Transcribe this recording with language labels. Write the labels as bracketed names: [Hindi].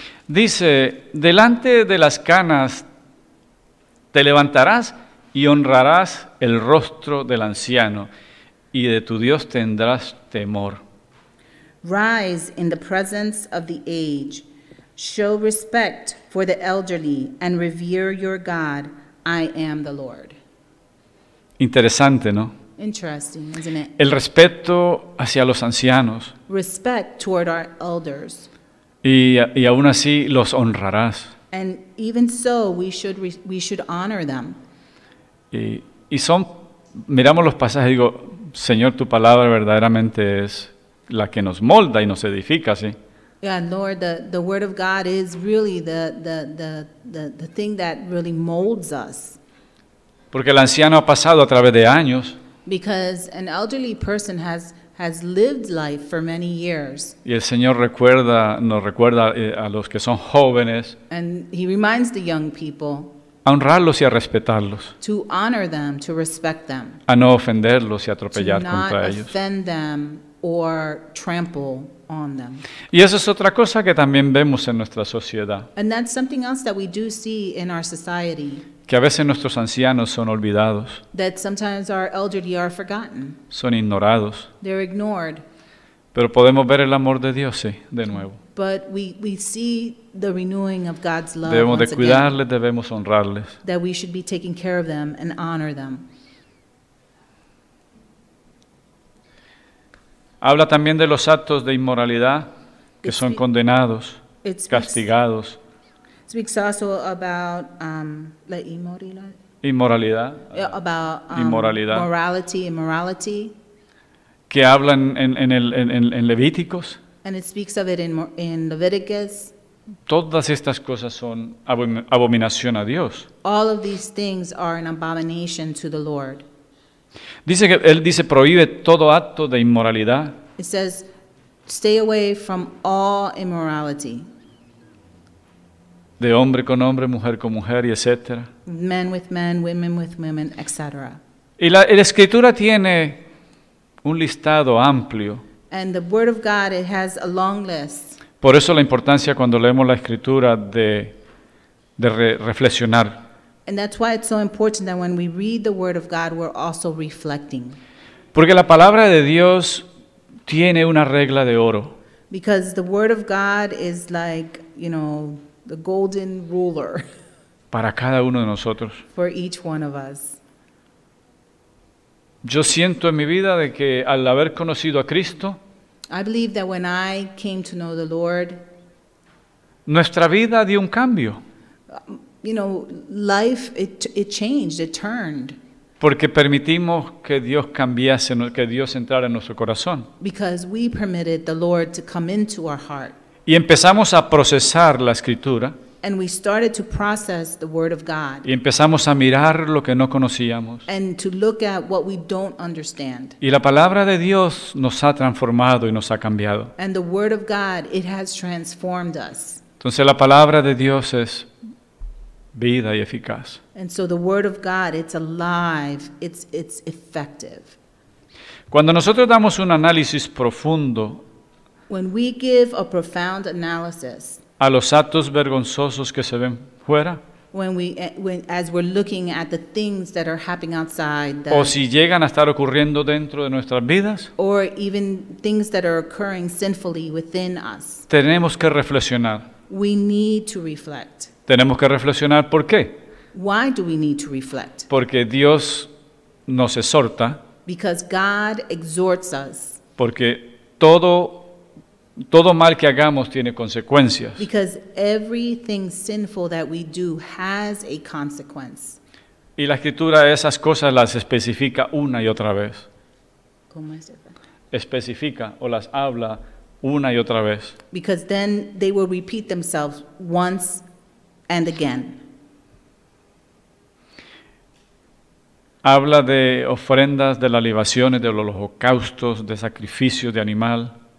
[Spanish] Dice, delante de las canas te levantarás y honrarás el rostro del anciano y de tu Dios tendrás temor. [English] Rise in the presence of the aged. Show respect for the elderly and revere your God. I am the Lord. [Spanish] Interesante, ¿no? [English] Interesting, isn't it? [Spanish] El respeto hacia los ancianos. [English] Respect toward our elders. [Spanish] Y aún así los honrarás. [English] And even so, we should honor them. [Spanish] Y son, miramos los pasajes y digo, Señor, tu palabra verdaderamente es la que nos molda y nos edifica, ¿sí? [English] Yeah, Lord, the Word of God is really the thing that really molds us. [Spanish] Porque el anciano ha pasado a través de años. [English] Because an elderly person has lived life for many years. [Spanish] Y el Señor nos recuerda a los que son jóvenes. [English] And He reminds the young people. [Spanish] A honrarlos y a respetarlos. [English] To honor them, to respect them. [Spanish] A no ofenderlos y atropellar contra ellos. [English] To not offend them or trample on them. [Spanish] Y eso es otra cosa que también vemos en nuestra sociedad. [English] And that's something else that we do see in our society. [Spanish] Que a veces nuestros ancianos son olvidados. [English] That sometimes our elderly are forgotten. [Spanish] Son ignorados. [English] They're ignored. [Spanish] Pero podemos ver el amor de Dios, sí, de nuevo. [English] But we see the renewing of God's love. [Spanish] Debemos [English] once [Spanish] de cuidarles, [English] again, [Spanish] debemos honrarles. [English] That we should be taking care of them and honor them. [Spanish] Habla también de los actos de inmoralidad que son condenados, castigados. [English] It speaks also about [Spanish] la inmoralidad. Inmoralidad. [English] About [Spanish] inmoralidad. [English] Morality, immorality. [Spanish] Que hablan en Levíticos. [English] And it speaks of it in Leviticus. [Spanish] Todas estas cosas son abominación a Dios. [English] All of these things are an abomination to the Lord. [Spanish] Dice que él dice prohíbe todo acto de inmoralidad. [English] It says, stay away from all immorality. [Spanish] De hombre con hombre, mujer con mujer, y etcétera. [English] Men with men, women with women, etc. [Spanish] Y la Escritura tiene un listado amplio. [English] And the Word of God, it has a long list. [Spanish] Por eso la importancia cuando leemos la Escritura de reflexionar. [English] And that's why it's so important that when we read the Word of God, we're also reflecting. [Spanish] Porque la palabra de Dios tiene una regla de oro. [English] Because the Word of God is like, the golden ruler. [Spanish] Para cada uno de nosotros. [English] For each one of us. [Spanish] Yo siento en mi vida de que al haber conocido a Cristo, [English] I believe that when I came to know the Lord, [Spanish] nuestra vida dio un cambio. [English] you know, life, it changed, it turned. [Spanish] Porque permitimos que Dios cambiase, que Dios entrara en nuestro corazón. [English] Because we permitted the Lord to come into our heart. [Spanish] Y empezamos a procesar la Escritura. [English] And we started to process the Word of God. [Spanish] Y empezamos a mirar lo que no conocíamos. [English] And to look at what we don't understand. [Spanish] Y la palabra de Dios nos ha transformado y nos ha cambiado. [English] And the Word of God, it has transformed us. [Spanish] Entonces la palabra de Dios es vida y eficaz. [English] And so the Word of God, it's alive, it's effective. [Spanish] Cuando nosotros damos un análisis profundo, [English] when we give a profound analysis, [Spanish] a los actos vergonzosos que se ven fuera, [English] as we're looking at the things that are happening outside, [Spanish] o si llegan a estar ocurriendo dentro de nuestras vidas, [English] or even things that are occurring sinfully within us, [Spanish] tenemos que reflexionar. [English] We need to reflect. [Spanish] Tenemos que reflexionar, ¿por qué? [English] Why do we need to reflect? [Spanish] Porque Dios nos exhorta. [English] Because God exhorts us. [Spanish] Porque todo mal que hagamos tiene consecuencias. [English] Because everything sinful that we do has a consequence. [Spanish] Y la Escritura esas cosas las especifica una y otra vez. ¿Cómo es eso? Especifica o las habla una y otra vez. [English] Because then they will repeat themselves once and again. [Spanish] Habla de ofrendas, de las libaciones, de los holocaustos, de sacrificios de animal.